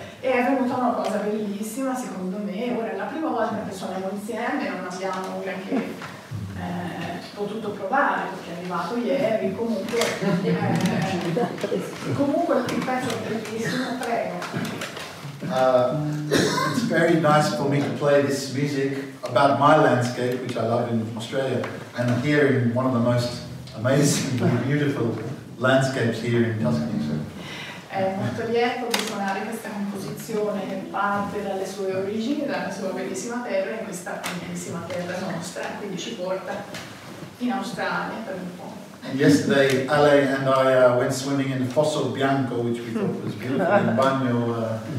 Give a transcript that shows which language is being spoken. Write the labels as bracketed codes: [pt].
[it] E è venuta una cosa bellissima, secondo me. Ora è la prima volta che suoniamo insieme, non abbiamo neanche potuto provare, perché è arrivato ieri, comunque il pezzo è bellissimo, prego. [en] It's very nice for me to play this music about my landscape, which I love in Australia, and here in one of the most amazing and beautiful landscapes here in Tuscany. [it] È molto lieto di suonare questa composizione che parte dalle sue origini, dalla sua bellissima terra, in questa bellissima terra nostra, quindi ci porta in Australia per un po'. [en] And yesterday, Ale and I went swimming in the Fosso Bianco, which we thought was beautiful, in Bagno.